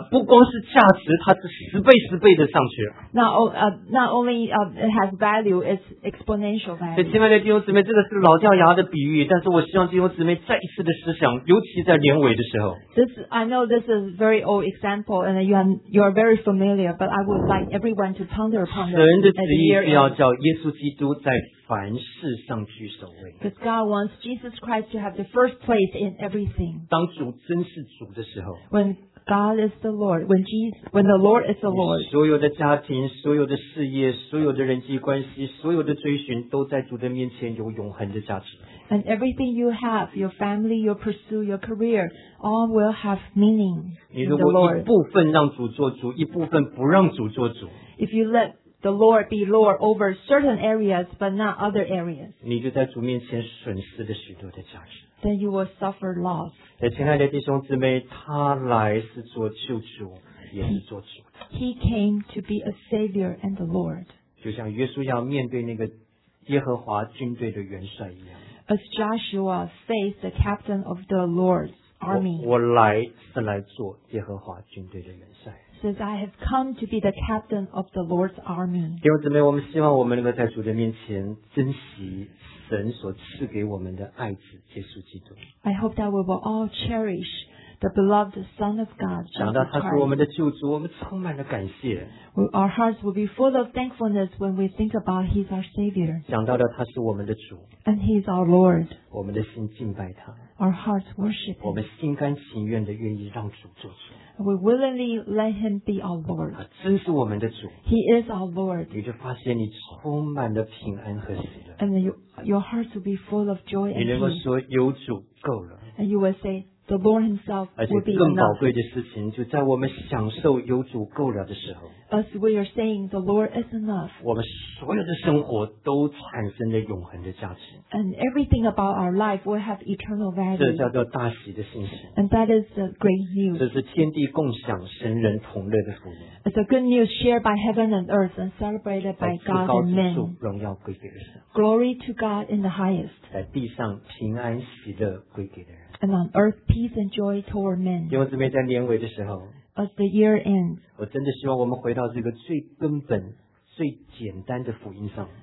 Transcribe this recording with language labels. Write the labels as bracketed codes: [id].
[zh] 不光是价值，它是十倍十倍的上去。 [en] Not only it has value, it's exponential value. [zh] 亲爱的弟兄姊妹，这个是老掉牙的比喻，但是我希望弟兄姊妹再一次的思想，尤其在年尾的时候。 [en] I know this is a very old example, and you are very familiar, but I would like everyone to ponder upon this. [zh] 神的旨意是要叫耶稣基督在凡事上居首位。 [en] Because God wants Jesus Christ to have the first place in everything. [zh] 当主真是主的时候。 [en] When God is the Lord, when Jesus, when the Lord is the Lord, [zh] 所有的家庭、所有的事业、所有的人际关系、所有的追寻，都在主的面前有永恒的价值。 [en] And everything you have, your family, your pursue, your career, all will have meaning in the Lord. [zh] 你如果一部分让主做主，一部分不让主做主。 [en] If you let the Lord be Lord over certain areas, but not other areas, [zh] 你就在主面前损失了许多的价值。 [en] Then you will suffer loss. [zh] 亲爱的弟兄姊妹，他来是做救主，也是做主。 [en] He came to be a Savior and the Lord. [zh] 就像约书亚面对那个耶和华军队的元帅一样。 [en] As Joshua faced the captain of the Lord's army. [zh] 我来是来做耶和华军队的元帅。 [en] Says I have come to be the captain of the Lord's army. [zh] 弟兄姊妹，我们希望我们能够在主的面前珍惜。神所赐给我们的爱子耶稣基督。 [en] I hope that we will all cherish the beloved Son of God, Jesus Christ. [zh] 想到他是我们的救主，我们充满了感谢。 [en] Our hearts will be full of thankfulness when we think about He's our Savior. [zh] 想到了他是我们的主。 [en] And He's our Lord. [zh] 我们的心敬拜他。 [en] Our hearts worship. [zh] 我们心甘情愿的愿意让主做主。 [en] We willingly let Him be our Lord. [zh] 他真是我们的主。 [en] He is our Lord. [zh] 你就发现你充满了平安和喜乐。 [en] And your heart will be full of joy and peace. [zh] 你能够说有主够了。 [en] And you will say the Lord Himself will be enough. [zh] 而且更宝贵的事情，就在我们享受有主够了的时候。 [en] As we are saying the Lord is enough. [zh] 我们所有的生活都产生了永恒的价值。 [en] And everything about our life will have eternal value. [zh] 这叫做大喜的信息。 [en] And that is the great news. [zh] 这是天地共享、神人同乐的福音。 [en] It's a good news shared by heaven and earth and celebrated by God and men. [zh] 荣耀归给神。 [en] Glory to God in the highest. [zh] 在地上平安喜乐归给人。 [en] And on earth, peace and joy toward men. [zh] 因为这边在年尾的时候。 [en] As the year ends, [zh] 我真的希望我们回到这个最根本、最简单的福音上。